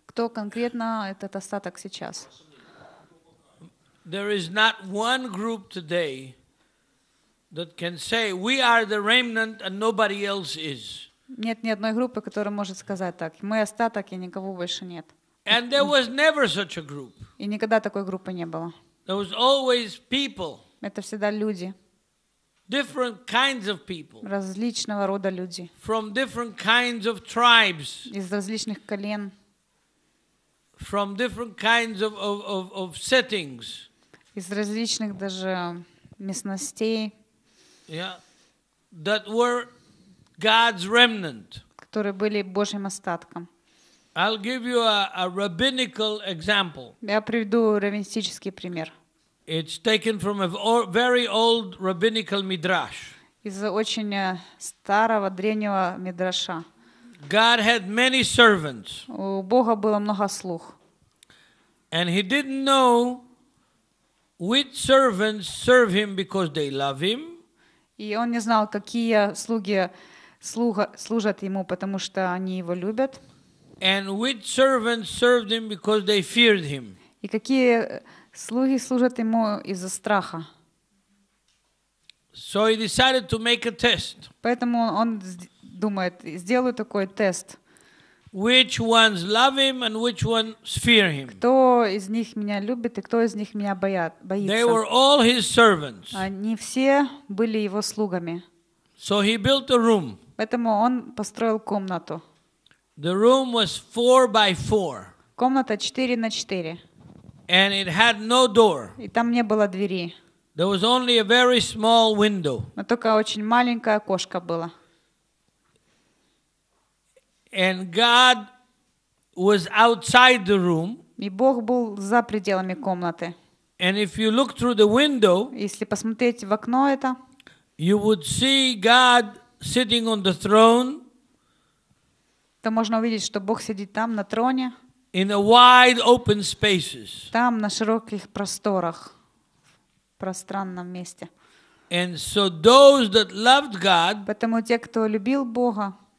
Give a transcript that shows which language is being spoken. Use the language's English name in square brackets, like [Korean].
[Russian] что конкретно этот остаток сейчас? [English] There is not one group today that can say we are the remnant and nobody else is. [Russian] Нет ни одной группы, которая может сказать так. Мы остаток, и никого больше нет. [English] And there was never such a group. [Russian] И никогда такой группы не было. [English] There was always people. [Russian] Это всегда люди. [English] Different kinds of people. [Russian] Различного рода люди. [English] From different kinds of tribes. [Russian] Из различных колен. [English] From different kinds of settings. [Russian] Из различных даже местностей. [English] Yeah. That were God's remnant. [Russian] Которые были Божьим остатком. [English] I'll give you a rabbinical example. [Russian] Я приведу раввинистический пример. [English] It's taken from a very old rabbinical midrash. [Russian] Из очень старого древнего мидраша. [English] God had many servants. [Russian] У Бога было много слуг. [English] And he didn't know which servants serve him because they love him. [Russian] И он не знал, какие слуги служат ему, потому что они его любят. [English] And which servants served him because they feared him. [Russian] И какие слуги служат ему из-за страха. [English] So he decided to make a test. [Russian] Поэтому он думает, сделаю такой тест. [English] Which ones love him and which ones fear him? [Russian] Кто из них меня любит и кто из них меня боится? [English] They were all his servants. [Russian] Они все были его слугами. [English] So he built a room. [Russian] Поэтому он построил комнату. [English] The room was 4x4. [Russian] Комната 4x4. [English] And it had no door. [Russian] И там не было двери. [English] There was only a very small window. [Russian] Но только очень маленькое окошко было. [English] And God was outside the room. [Russian] И Бог был за пределами комнаты. [English] And if you look through the window, [Russian] если посмотреть в окно это, [English] you would see God sitting on the throne. [Russian] То можно увидеть, что Бог сидит там на троне. [English] In a wide open spaces. [Russian] Там на широких просторах, в пространном месте. [English] And so those that loved God. [Russian] Поэтому те, кто любил Бога.